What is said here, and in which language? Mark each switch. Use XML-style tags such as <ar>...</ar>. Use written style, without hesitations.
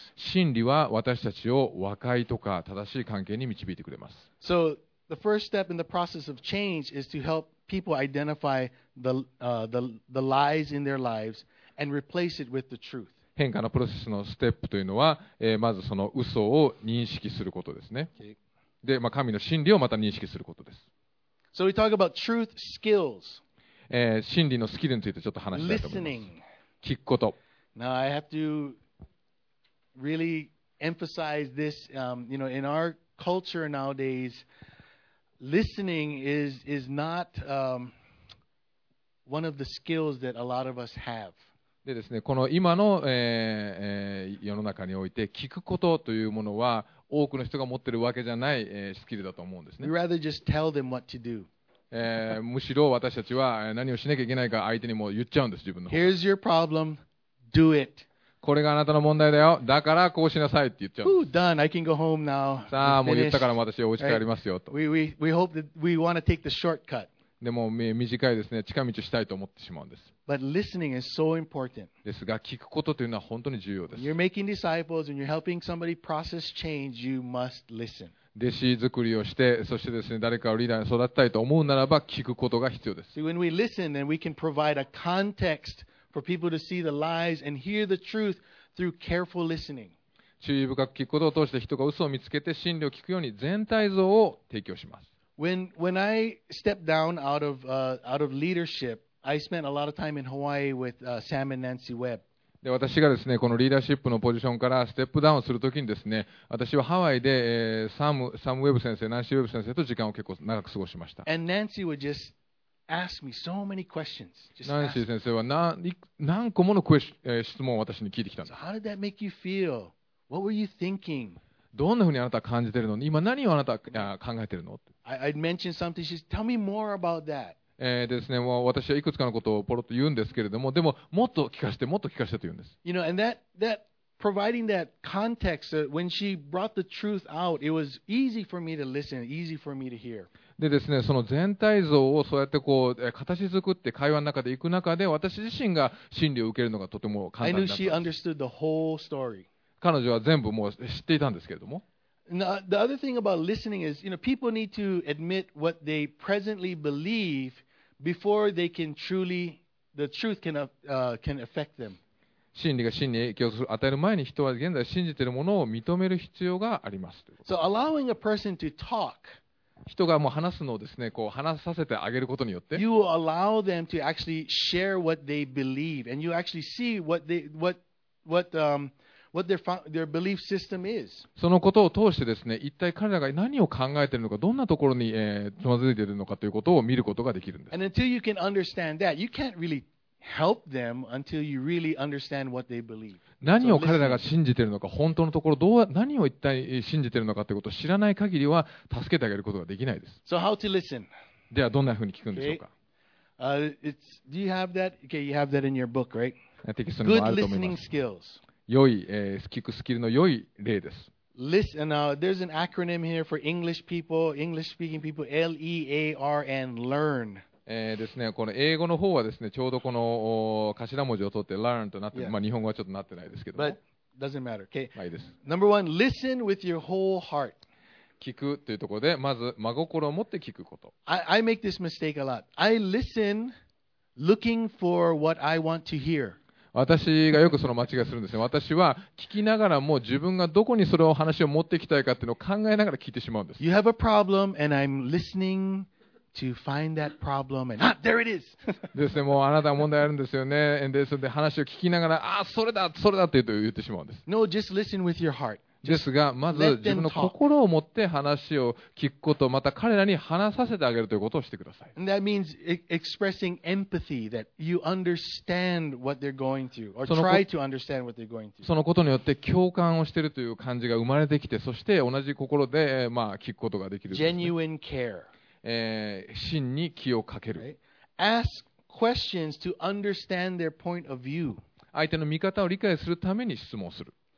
<ja>真理は私たちを和解とか正しい関係に導いてくれます。</ja> <en>So the first step in the process of change is to help people identify the lies in their lives. And replace it with the truth.</en> <ja>変化のプロセスのステップというのは、まずその嘘を認識することですね。</ja> <en>Okay.</en> <ja>で、まあ、神の真理をまた認識することです。</ja> <en>So we talk about truth skills.</en> <ja>真理のスキルについてちょっと話したいと思います。</ja> <en>Listening.</en> <ja>聞くこと。</ja> <en>Now I have to really emphasize this. You know, in our culture nowadays, listening is not one of the skills that a lot of us have.</en> <ja>でですね、この今の、世の中において聞くことというものは多くの人が持っているわけじゃない、スキルだと思うんですね。</ja> <en>We'd rather just tell them what to do.</en> <ja>むしろ私たちは何をしなきゃいけないか相手にも言っちゃうんです、自分の</ja> <en>方。Here's your problem. Do it.</en> <ja>これがあなたの問題だよ。だからこうしなさいって言っちゃうんです。</ja> <en>Ooh, done. I can go home now.</en> <ja>さあ、もう言ったから私はお家帰りますよと。</ja> <en>We hope that we want to take the shortcut.</en> <ja>でも短いですね。近道したいと思ってしまうんです。</ja> <en>But listening is so important.</en> <ja>ですが、聞くことというのは本当に重要です。</ja> <en>You're making disciples and you're helping somebody process change. You must listen.</en> <ja>弟子作りをして、そしてですね、誰かをリーダーに育てたいと思うならば、聞くことが必要です。</ja> <en>See, when we listen, then we can provide a context for people to see the lies and hear the truth through careful listening.</en> <ja>注意深く聞くことを通して、人が嘘を見つけて真理を聞くように全体像を提供します。</ja> <en>When I stepped down out of leadership, I spent a lot of time in Hawaii with Sam and Nancy Webb.</en> <ja>で、私がですね、このリーダーシップのポジションからステップダウンするときにですね、私はハワイで、サムウェブ先生、ナンシーウェブ先生と時間を結構長く過ごしました。</ja> <en>And Nancy would just ask me so many questions.</en> <ja>ナンシー先生は何個もの質問を私に聞いてきたんです。</ja> <en>So how did that make you feel? What were you thinking?</en> <ja>どんなふうにあなたは感じているの今何をあなたは考えているの</ja> <en>I'd mention something. She says, tell me more about that.</en> <ja>ですね、もう私はいくつかのことをポロッと言うんですけれども、でももっと聞かせて、もっと聞かせてと言うんです。</ja> <en>You know, and that providing that context, when she brought the truth out, it was easy for me to listen, easy for me to hear.</en> <ja>でですね、その全体像をそうやってこう、形作って会話の中で行く中で、私自身が真理を受けるのがとても簡単になったんです。</ja> <en>I knew she understood the whole story.</en> <ja>彼女は全部もう知っていたんですけれども。</ja> <en>The other thing about listening is, you know, people need to admit what they presently believe before they can truly, the truth can affect them.</en> <ja>真理が真に影響を与える前に人は現在信じているものを認める必要があります。</ja> <en>So allowing a person to talk,</en> <ja>人がもう話すのをですね、こう話させてあげることによって、</ja> <en>you will allow them to actually share what they believe, and you actually see what their belief system is.</en> <ja>そのことを通してですね、一体彼らが何を考えているのか、どんなところに、つまずいているのかということを見ることができるんです。</ja> <en>And until you can understand that, you can't really help them until you really understand what they believe.</en> <ja>何を彼らが信じているのか、本当のところどう、何を一体信じているのかということを知らない限りは、助けてあげることができないです。</ja> <en>So how to listen?</en> <ja>ではどんなふうに聞くんでしょうか。</ja> <en>Do you have that? Okay, you have that in your book, right?</en> <ja>テキストにもあると思います。</ja> <en>Good listening skills.</en> <ja>良い、聞くスキルの良い例です。</ja> <en>Listen, now, there's an acronym here for English people, English speaking people, LEARN, learn.</en> <ja>ですね、この英語の方はですね、ちょうどこの頭文字を取って learn となって、yeah. まあ日本語はちょっとなってないですけど。</ja> <en>But doesn't matter. Okay.</en> <ja>まあいいです。</ja> <en>Number one, listen with your whole heart.</en> <ja>聞くというところで、まず真心を持って聞くこと。</ja> <en>I make this mistake a lot. I listen looking for what I want to hear.</en> <ja>私がよくその間違いするんですね。私は聞きながらも自分がどこにそれを話を持っていきたいかっていうのを考えながら聞いてしまうんです。</ja> <en>You have a problem and I'm listening to find that problem and ah, there it is!</en> <ja>ですね、もうあなたは問題あるんですよね。で、それで話を聞きながら、ああ、それだ、それだって言ってしまうんです。</ja> <en>No, just listen with your heart.</en> <ja>ですが、まず自分の心を持って話を聞くこと、また彼らに話させてあげるということをしてください。</ja> <en>And that means expressing empathy that you understand what they're going through or try to understand what they're going through.</en> <ja>そのことによって共感をしているという感じが生まれてきて、そして同じ心で、まあ、聞くことができるんですね。</ja> <en>Genuine care.</en> <ja>真に気をかける。</ja> <en>Right? Ask questions to understand their point of view.</en> <ja>相手の見方を理解するために質問する。</ja>